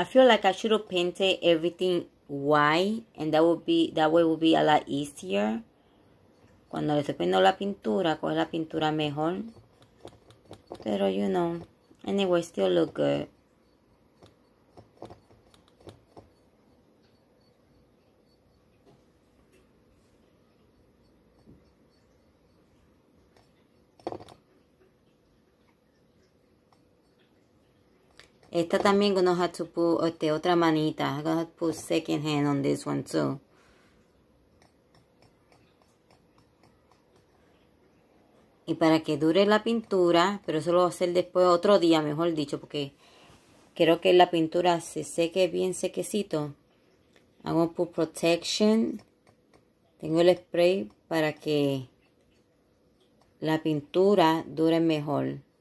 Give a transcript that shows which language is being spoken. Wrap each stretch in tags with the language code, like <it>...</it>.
<en>I feel like I should have painted everything white, and that way would be a lot easier.</en> <es>Cuando le estoy poniendo la pintura, coge la pintura mejor. Pero,</es> <en>you know, anyway, still look good.</en> <es>Esta también</es> <en>gonna have to put</en> <es>otra manita.</es> <en>I'm gonna have to put second hand on this one too.</en> <es>Y para que dure la pintura, pero eso lo voy a hacer después, otro día mejor dicho, porque quiero que la pintura se seque bien sequecito.</es> <en>I'm gonna put protection.</en> <es>Tengo el spray para que la pintura dure mejor.</es>